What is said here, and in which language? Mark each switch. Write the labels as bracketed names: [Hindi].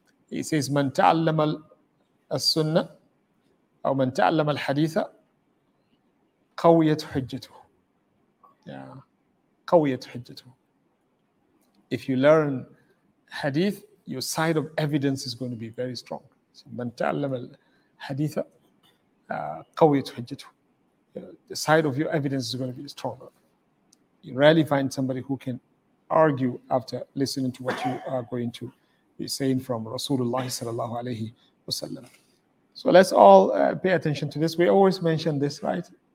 [English] He says, [Arabic] من تعلم السنة أو من تعلم الحديث قوية حجته. Yeah. قوية حجته. [English] If you learn hadith, your side of evidence is going to be very strong. [Arabic] So, من تعلم الحديث قوية حجته. [English] The side of your evidence is going to be stronger. You rarely find somebody who can argue after listening to what you are going to be saying from Rasulullah sallallahu alayhi wasallam. So let's all pay attention to this. We always mention this, right?